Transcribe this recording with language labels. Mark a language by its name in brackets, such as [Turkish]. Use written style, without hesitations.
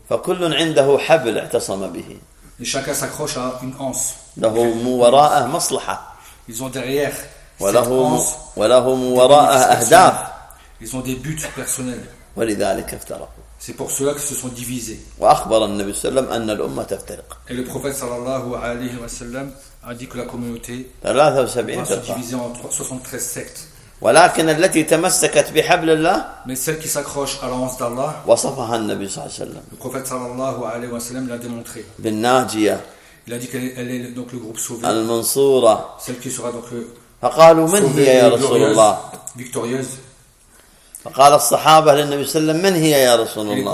[Arabic] فكل عنده حبل اعتصم به. [French] Et chacun s'accroche à une anse. [Arabic] لهم وراءه مصلحة. [French] Ils ont derrière [Arabic] ولهم, ولهم وراءه أهداف. [French] Ils ont des buts personnels. [Arabic] ولذلك افترقوا. [French] C'est pour cela que se sont divisés. [Arabic] وأخبر النبي صلى الله عليه وسلم أن الأمة تفترق. [French] Et le prophète [Arabic] صلى الله عليه وسلم [French] a dit que la communauté 73 va se diviser en 73 sectes. [Arabic] ولكن التي تمسكت بحبل الله [French] mais celle qui s'accroche à l'anse d'Allah [Arabic] وصفها النبي صلى الله عليه وسلم [French] le prophète [Arabic] صلى الله عليه وسلم [French] l'a démontré [Arabic] بالناجية [French] il a dit qu'elle est donc le groupe sauvé [Arabic] المنصورة [French] celle qui sera donc [Arabic] فقالوا من هي يا رسول الله [French] victorieuse [Arabic] فقال الصحابة للنبي صلى الله عليه وسلم من هي يا رسول الله